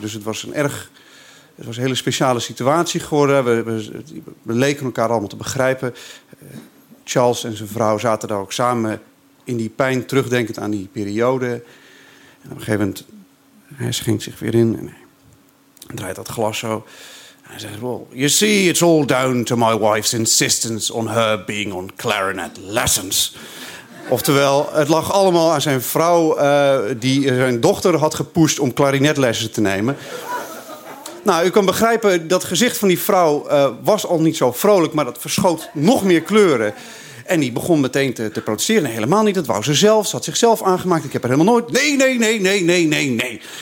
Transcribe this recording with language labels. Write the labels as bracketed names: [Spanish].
[Dutch] Dus het was een hele speciale situatie geworden. We leken elkaar allemaal te begrijpen. Charles en zijn vrouw zaten daar ook samen in die pijn, terugdenkend aan die periode. En op een gegeven moment, hij schenkt zich weer in en hij draait dat glas zo. En hij zegt, [English] well, you see, it's all down to my wife's insistence on her being on clarinet lessons. [Dutch] Oftewel, het lag allemaal aan zijn vrouw die zijn dochter had gepusht om klarinetlessen te nemen. Nou, u kan begrijpen, dat gezicht van die vrouw was al niet zo vrolijk, maar dat verschoot nog meer kleuren. En die begon meteen te protesteren. Nee, helemaal niet. Dat wou ze zelf. Ze had zichzelf aangemaakt. Ik heb er helemaal nooit... Nee.